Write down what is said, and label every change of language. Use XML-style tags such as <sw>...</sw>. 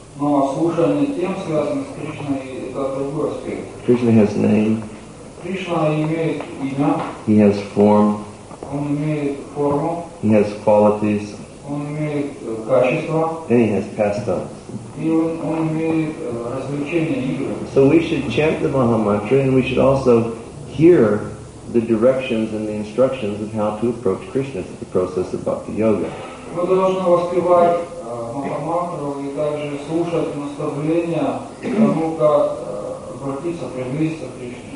<ru>Но слушание тем связано с Кришной, это другой аспект.</ru> <en>Krishna has name.</en> <ru>Кришна имеет имя.</ru> <en>He has form.</en> <ru>Он имеет форму.</ru> <en>He has qualities.</en> <ru>Он имеет качества.</ru> <en>And he has pastimes.</en> <ru>И он имеет развлечения, игры.</ru> <en>So we should chant the Maha Mantra, and we should also hear the directions and the instructions of how to approach Krishna through the process of Bhakti Yoga.</en> <ru>Мы должны воспевать Маха Мантру и также слушать наставления тому, как обратиться, приблизиться к Кришне.</ru>